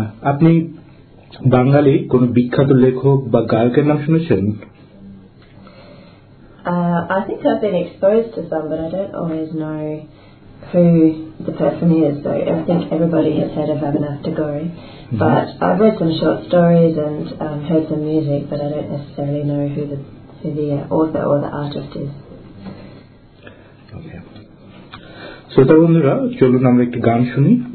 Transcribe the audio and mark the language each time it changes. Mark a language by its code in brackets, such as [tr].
[bn] আপনি বাঙালি কোন বিখ্যাত লেখক বা গায়কের নাম শুনেছেন? [en] I think I've been exposed to some, but I don't always know who the person is. So I think everybody has heard of Avinash Tagore. But I've read some short stories and heard some music, but I don't necessarily know who the author or the artist is. [bn] শ্রোতা বন্ধুরা, চলুন আমরা একটি গান শুনি।